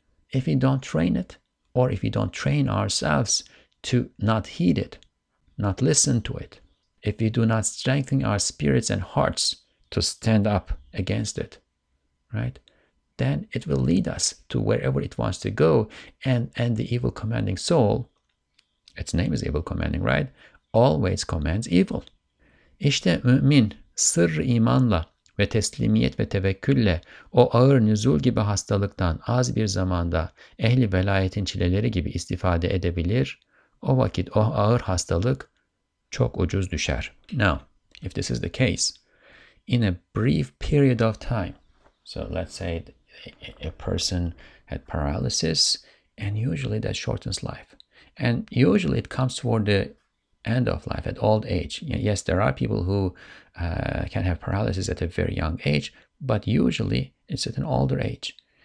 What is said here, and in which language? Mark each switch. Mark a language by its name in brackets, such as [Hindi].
[English] If we don't train it, or if we don't train ourselves to not heed it, not listen to it, if we do not strengthen our spirits and hearts to stand up against it, right? Then it will lead us to wherever it wants to go, and the evil commanding soul, its name is evil commanding, right? Always commands evil. [Turkish] İşte mümin sırr imanla ve teslimiyet ve tevekkülle o ağır nüzul gibi hastalıktan az bir zamanda ehli velayetin çileleri gibi istifade edebilir. O vakit o ağır hastalık çok ucuz düşer. [English] Now, if this is the case, in a brief period of time, so let's say a person had paralysis, and usually that shortens life. And usually it comes toward the end of life, at old age. Yes, there are people who can have paralysis at a very young age, but usually it's at an older age.